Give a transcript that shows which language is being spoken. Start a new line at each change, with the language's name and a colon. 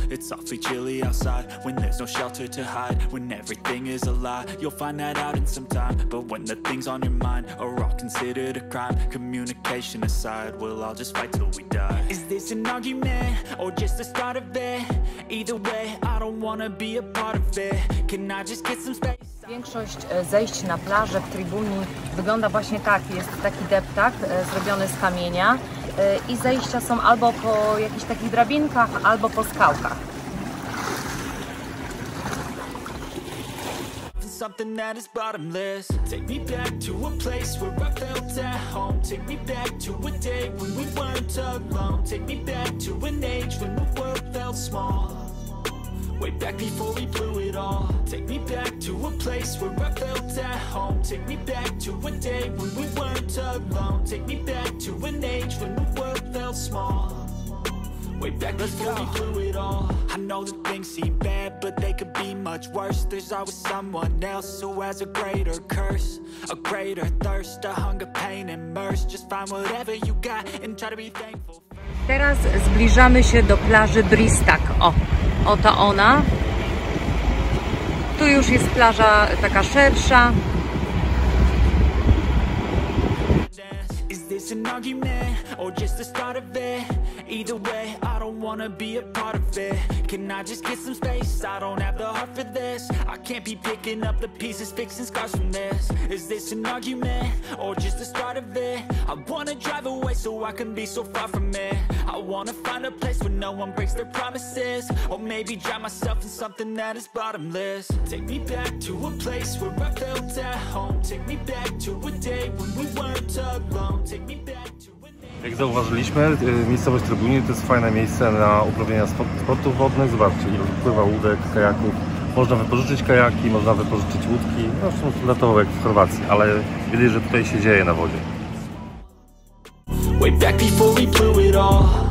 English: It's awfully chilly outside when there's no shelter to hide, when everything is a lie. You'll find that out in some time, but when the things on your mind are all considered a crime, communication aside, we'll all just fight till we die. Is this an argument or just the start of it? Either way, I don't wanna be a part of it. Can I just get some space?
Polish: Większość zejść na plażę w Tribuni wygląda właśnie tak. Jest taki deptak zrobiony z kamienia i zejścia są albo po jakichś takich drabinkach, albo po skałkach.
English: Something that is bottomless. Take me back to a place where I felt at home. Take me back to a day when we weren't alone. Take me back to an age when the world felt small. Way back before we blew it all. Take me back to a place where I felt at home. Take me back to a day when we weren't alone. Take me back to an age when the world felt small. Way back before we blew it all. I know that things seem bad, but they could be much worse. There's always someone else who has a greater curse, a greater thirst, a hunger, pain, and mercy. Just find whatever you got and try to be thankful.
Polish: Teraz zbliżamy się do plaży Bristak. O, oto ona. Tu już jest plaża taka szersza.
English: Is this an argument or just the start of it? Either way, I don't wanna be a part of it. Can I just get some space? I don't have the heart for this. I can't be picking up the pieces, fixing scars from this. Is this an argument or just the start of it? I wanna drive away so I can be so far from it. I wanna find a place where no one breaks their promises. Or maybe drown myself in something that is bottomless. Take me back to a place where I felt at home. Take me back to a day when we weren't alone. Take me back to.
Polish: Jak zauważyliśmy, miejscowość Tribuni to jest fajne miejsce na uprawiania sportów wodnych. Zobaczcie, ile wypływa łódek, kajaków. Można wypożyczyć kajaki, można wypożyczyć łódki. No, są latowe jak w Chorwacji, ale widać, że tutaj się dzieje na wodzie.
English: Way back before we blew it all.